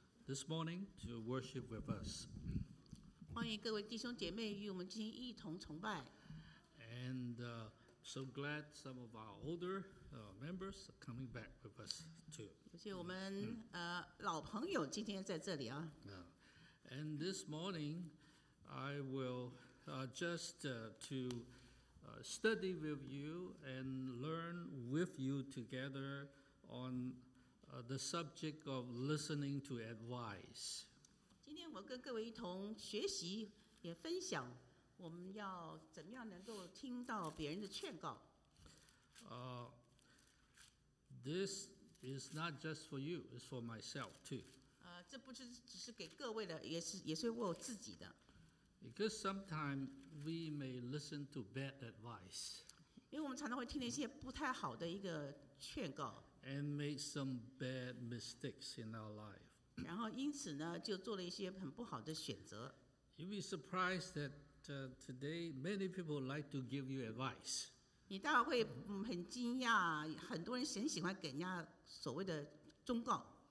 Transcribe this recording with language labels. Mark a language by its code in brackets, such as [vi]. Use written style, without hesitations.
[en] this morning to worship with us. [zh] 欢迎各位弟兄姐妹与我们今天一同崇拜。 [en] And so glad some of our older members are coming back with us too. [zh] 有些我们老朋友今天在这里啊。 [en] And this morning, I will study with you and learn with you together on the subject of listening to advice. [zh] 今天我跟各位一同学习，也分享我们要怎么样能够听到别人的劝告。 [en] This is not just for you; it's for myself too. [zh] 这不是只是给各位的，也是为我自己的。 [en] Because sometimes we may listen to bad advice. [zh] 因为我们常常会听那些不太好的一个劝告。 [en] And made some bad mistakes in our life. [zh] 然后因此呢，就做了一些很不好的选择。 [en] You'd be surprised that today many people like to give you advice. [zh] 你大概会很惊讶，很多人很喜欢给人家所谓的忠告。